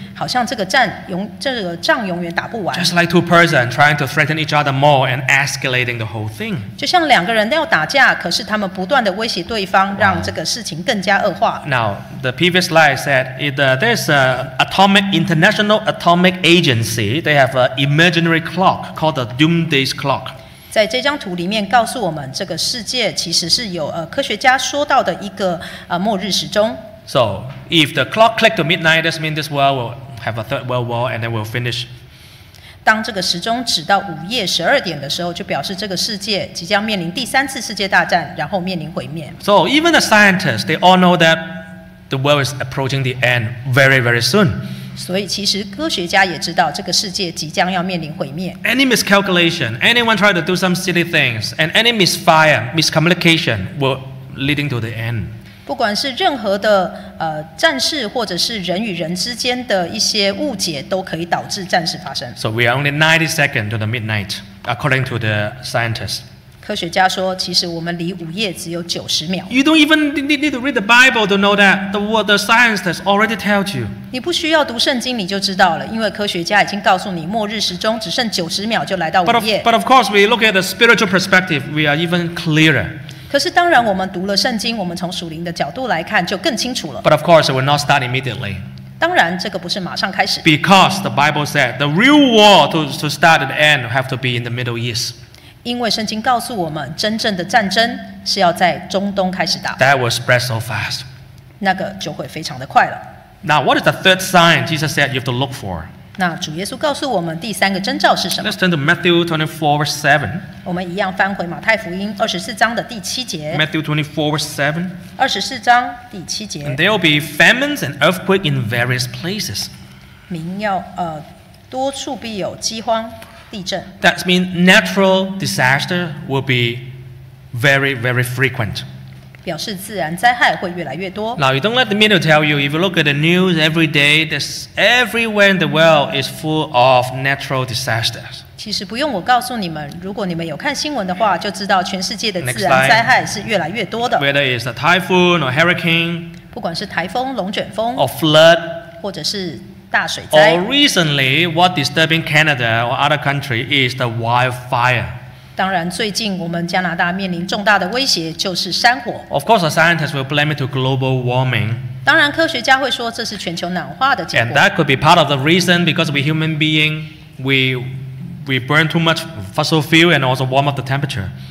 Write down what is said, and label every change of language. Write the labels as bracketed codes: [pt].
[zh] 好像这个仗永远打不完。 [en] Just like two persons trying to threaten each other more and escalating the whole thing. [zh] 就像两个人要打架，可是他们不断的威胁对方，让这个事情更加恶化。 [en] Now the previous slide said there's an international atomic agency. They have an imaginary clock called the Doomsday Clock. [zh] 在这张图里面告诉我们，这个世界其实是有科学家说到的一个末日时钟。 [en] So if the clock clicked to midnight, that means this world will have a third world war and then will finish. [zh] 当这个时钟指到午夜十二点的时候，就表示这个世界即将面临第三次世界大战，然后面临毁灭。 [en] So even the scientists, they all know that the world is approaching the end very, very soon. [zh] 所以其实科学家也知道这个世界即将要面临毁灭。 [en] Any miscalculation, anyone try to do some silly things, and any misfire, miscommunication will leading to the end. [zh] 不管是任何的战事，或者是人与人之间的一些误解，都可以导致战事发生。 [en] So we are only 90 seconds to the midnight, according to the scientists. [zh] 科学家说，其实我们离午夜只有90秒。 [en] You don't even need to read the Bible to know that the word the scientists already tell you. [zh] 你不需要读圣经，你就知道了，因为科学家已经告诉你，末日时钟只剩90秒就来到午夜。 [en] But of course, we look at the spiritual perspective, we are even clearer. [zh] 可是当然，我们读了圣经，我们从属灵的角度来看，就更清楚了。 [en] But of course, it will not start immediately. [zh] 当然，这个不是马上开始。 [en] Because the Bible said the real war to start and end have to be in the Middle East. [zh] 因为圣经告诉我们，真正的战争是要在中东开始打。 [en] That will spread so fast. [zh] 那个就会非常的快了。 [en] Now, what is the third sign Jesus said you have to look for? [zh] 那主耶稣告诉我们第三个征兆是什么？ [en] Let's turn to Matthew 24:7. [zh] 我们一样翻回马太福音二十四章的第七节。 [en] Matthew 24:7. [zh] 二十四章第七节。 [en] And there will be famines and earthquake in various places. [zh] 民要多处必有饥荒。 [en] That means natural disaster will be very, very frequent. [zh] 表示自然灾害会越来越多。 [en] Now you don't let the media tell you. If you look at the news every day, there's everywhere in the world is full of natural disasters. [zh] 其实不用我告诉你们，如果你们有看新闻的话，就知道全世界的自然灾害是越来越多的。 [en] Whether it's a typhoon or hurricane, [zh] 不管是台风、龙卷风 [en] ，or flood, [zh] 或者是大水災。 [en] Or recently, what disturbing Canada or other country is the wildfire. [zh] 当然，最近我们加拿大面临重大的威胁就是山火。 [en] Of course, the scientists will blame it to global warming. [zh] 当然，科学家会说这是全球暖化的结果。 [en] And that could be part of the reason because we human being we burn too much fossil fuel and also warm up the temperature.